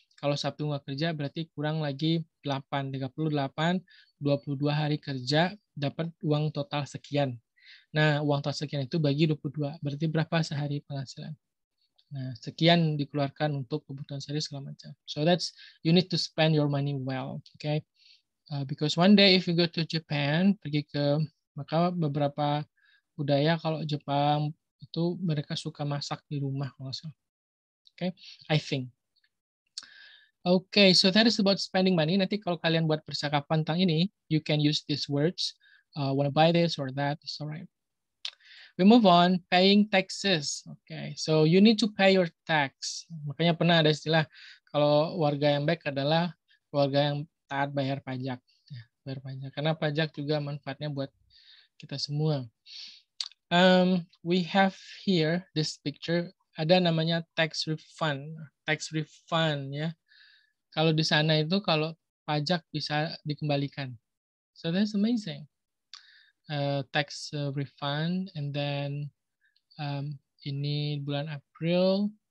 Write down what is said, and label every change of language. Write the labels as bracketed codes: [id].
[id] Kalau Sabtu nggak kerja, berarti kurang lagi 8. 38, 22 hari kerja, dapat uang total sekian. Nah, uang total sekian itu bagi 22. Berarti berapa sehari penghasilan? Nah, sekian dikeluarkan untuk kebutuhan sehari segala macam. [en] So that's, you need to spend your money well. [id] Okay? [en] Because one day if you go to Japan, [id] pergi ke, maka beberapa budaya kalau Jepang itu mereka suka masak di rumah. Okay? [en] I think. Okay, so that is about spending money. [id] Nanti kalau kalian buat percakapan tentang ini, [en] you can use these words. Wanna buy this or that, it's all right. We move on, paying taxes. Okay, so you need to pay your tax. [id] Makanya pernah ada istilah, kalau warga yang baik adalah warga yang taat bayar pajak. Ya, bayar pajak. Karena pajak juga manfaatnya buat kita semua. [en] We have here this picture, [id] ada namanya [en] tax refund. [id] Tax refund, ya. Kalau di sana itu kalau pajak bisa dikembalikan. [en] So that's amazing. Tax refund. And then [id] ini bulan April.